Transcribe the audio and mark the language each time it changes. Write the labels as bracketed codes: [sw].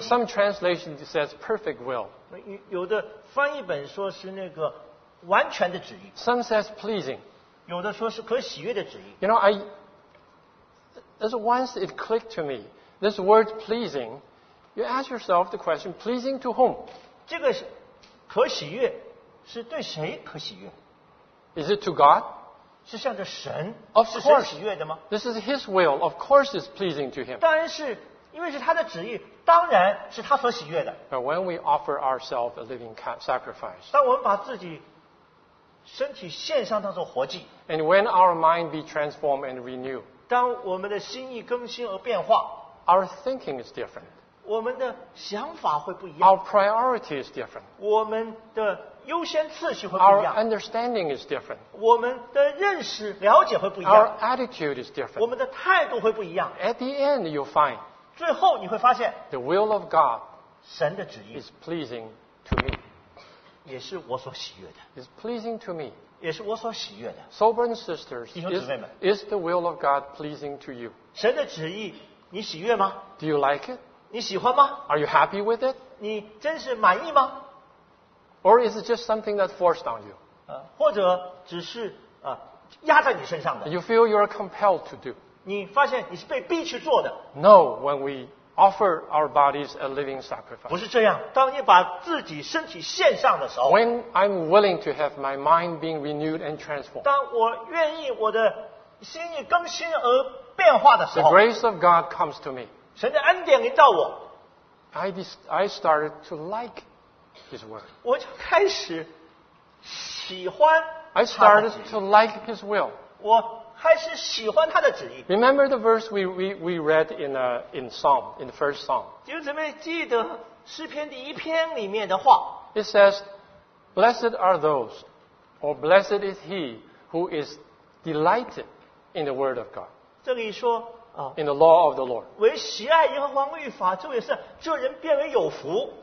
[en] some translation says perfect will. [zh] 有的翻译本说是那个完全的旨意, [en] some says pleasing. [zh] 有的说是可喜悦的旨意. [en] You know, as once it clicked to me, this word pleasing, you ask yourself the question, pleasing to whom? [zh] 这个可喜悦, 是对谁可喜悦? [en] Is it to God? [zh] 是向着神? [en] Of course. [zh] 是神喜悦的吗? [en] This is His will. Of course it's pleasing to Him. [zh] 当然是, 因为是他的旨意, 当然是他所喜悦的。 [en] But when we offer ourselves a living sacrifice, [zh] 当我们把自己, 身体献上当作活祭, [en] and when our mind be transformed and renewed, [zh] 当我们的心意更新而变化, [en] our thinking is different. [zh] 我们的想法会不一样。 [en] Our priority is different. [zh] 我们的 [en] Our understanding is different. [zh] 我们的认识了解会不一样。 [en] Our attitude is different. [zh] 我们的态度会不一样。 [en] At the end, you'll find [zh] 最后你会发现, [en] the will of God [zh] 神的旨意, [en] is pleasing to me. [zh] 也是我所喜悦的。 [en] It's pleasing to me. [zh] 也是我所喜悦的。 [en] So, brothers and sisters, [zh] 弟兄姊妹们, [en] is the will of God pleasing to you? [zh] 神的旨意, 你喜悦吗? [en] Do you like it? [zh] 你喜欢吗? [en] Are you happy with it? [zh] 你真是满意吗? [en] Or is it just something that's forced on you? [zh] 或者只是, 压在你身上的。 [en] You feel you're compelled to do. [zh] 你发现你是被逼去做的。 [en] No, when we offer our bodies a living sacrifice. [zh] 不是这样，当你把自己身体献上的时候， [en] When I'm willing to have my mind being renewed and transformed. [zh] 当我愿意我的心意更新而变化的时候， [en] The grace of God comes to me. [zh] 神的恩典临到我。 [en] I started to like His word. [zh] 我就开始喜欢。 [en] I started to like His will. [zh] 我还是喜欢他的旨意。 [en] Remember the verse we read in Psalm, in the first Psalm. [zh] 弟兄姊妹，记得诗篇第一篇里面的话。 [en] It says, "Blessed are those, or blessed is he who is delighted in the word of God." [zh] 这里说。 [en] In the law of the Lord. [zh] 为喜爱耶和华律法，这也是这人变为有福。